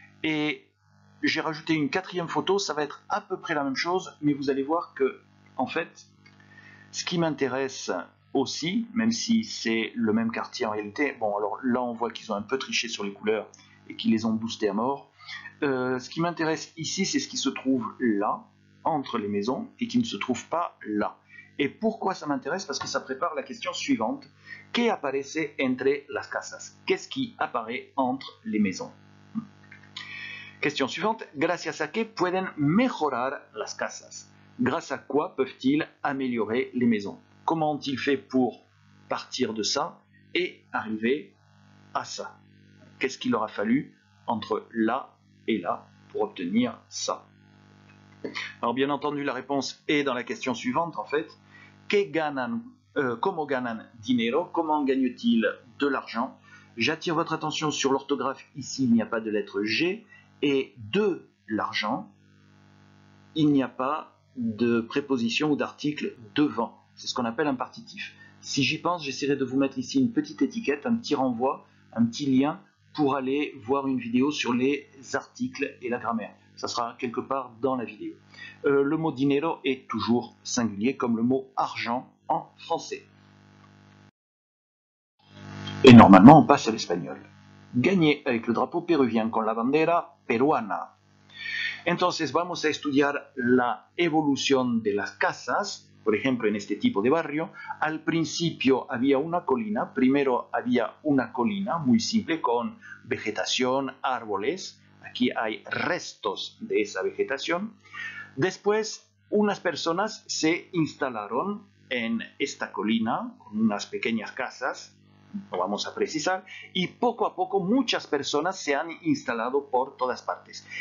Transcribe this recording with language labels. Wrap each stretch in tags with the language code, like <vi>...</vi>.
<fr>Et j'ai rajouté une quatrième photo, ça va être à peu près la même chose, mais vous allez voir que, en fait, ce qui m'intéresse aussi, même si c'est le même quartier en réalité, bon alors là on voit qu'ils ont un peu triché sur les couleurs et qu'ils les ont boostés à mort, ce qui m'intéresse ici c'est ce qui se trouve là, entre les maisons et qui ne se trouve pas là. Et pourquoi ça m'intéresse? Parce que ça prépare la question suivante.</fr> <es>¿Qué aparece entre las casas?</es> <fr>Qu'est-ce qui apparaît entre les maisons? Question suivante.</fr> <es>¿Gracias a qué pueden mejorar las casas?</es> <fr>Grâce à quoi peuvent-ils améliorer les maisons? Comment ont-ils fait pour partir de ça et arriver à ça? Qu'est-ce qu'il leur a fallu entre là et là pour obtenir ça? Alors bien entendu la réponse est dans la question suivante en fait.</fr> <es>Que ganan, como ganan dinero?</es> <fr>Comment gagnent-ils de l'argent? J'attire votre attention sur l'orthographe ici, il n'y a pas de lettre G. Et de l'argent, il n'y a pas de préposition ou d'article devant. C'est ce qu'on appelle un partitif. Si j'y pense, j'essaierai de vous mettre ici une petite étiquette, un petit renvoi, un petit lien pour aller voir une vidéo sur les articles et la grammaire. Ça sera quelque part dans la vidéo. Le mot dinero est toujours singulier, comme le mot argent en français. Et normalement, on passe à l'espagnol. Gagner avec le drapeau péruvien,</fr> <es>con la bandera peruana. Entonces, vamos a estudiar la evolución de las casas, por ejemplo, en este tipo de barrio. Al principio había una colina, primero había una colina muy simple, con vegetación, árboles. Aquí hay restos de esa vegetación. Después, unas personas se instalaron en esta colina, con unas pequeñas casas, lo vamos a precisar, y poco a poco muchas personas se han instalado por todas partes.</es>